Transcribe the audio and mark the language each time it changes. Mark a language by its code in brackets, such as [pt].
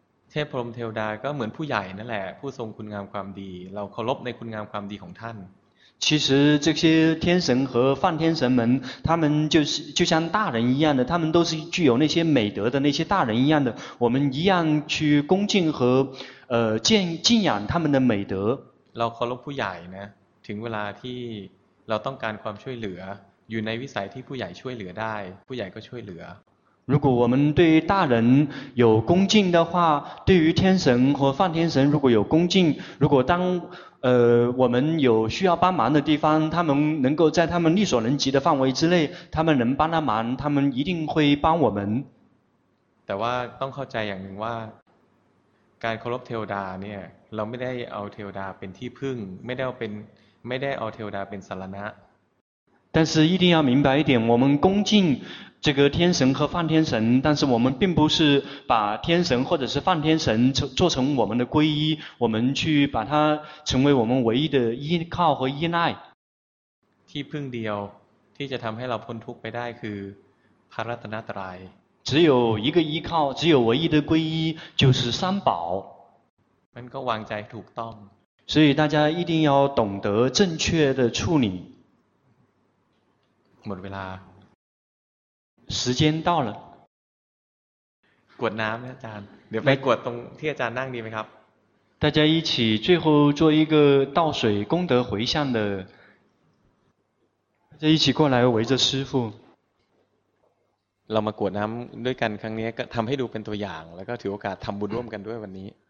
[th] เทพพรหมเทวดาก็เหมือนผู้ใหญ่นั่นแหละผู้ทรงคุณงามความดีเราเคารพในคุณงามความดีของท่าน [zh] 其实这些天神和梵天神们他们就像大人一样的他们都是具有那些美德的那些大人一样的我们一样去恭敬和敬仰他们的美德 [th] เราเคารพผู้ใหญ่นะถึงเวลาที่เราต้องการความช่วยเหลืออยู่ในวิสัยที่ผู้ใหญ่ช่วยเหลือได้ผู้ใหญ่ก็ช่วยเหลือ [zh] 如果我们对大人有恭敬的话对于天神和梵天神如果有恭敬如果当我们有需要帮忙的地方他们能够在他们力所能及的范围之内他们能帮他忙他们一定会帮我们 [th] แต่ว่าต้องเข้าใจอย่างหนึ่งว่าการเคารพเทวดาเนี่ยเราไม่ได้เอาเทวดาเป็นที่พึ่งไม่ได้เอาเทวดาเป็นสรณะ [zh] 但是一定要明白一点我们恭敬这个天神和梵天神但是我们并不是把天神或者是梵天神做成我们的皈依我们去把它成为我们唯一的依靠和依赖 [th] ที่พึ่งเดียวที่จะทำให้เราพ้นทุกข์ไปได้คือพระรัตนตรัย [zh] 只有一个依靠只有唯一的皈依就是三宝 [th] มันก็วางใจถูกต้อง [zh] 所以大家一定要懂得正确的处理 [th] หมดเวลา [zh] 时间到了 [th] กวดน้ำนะอาจารย์เดี๋ยวไปกวดตรงที่อาจารย์นั่งดีไหมครับ [zh] 大家一起最后做一个倒水功德回向的大家一起过来围着师父 [th] เรามากวดน้ำด้วยกันครั้งนี้ก็ทำให้ดูเป็นตัวอย่างแล้วก็ถือโอกาสทำบุญร่วมกันด้วยวันนี้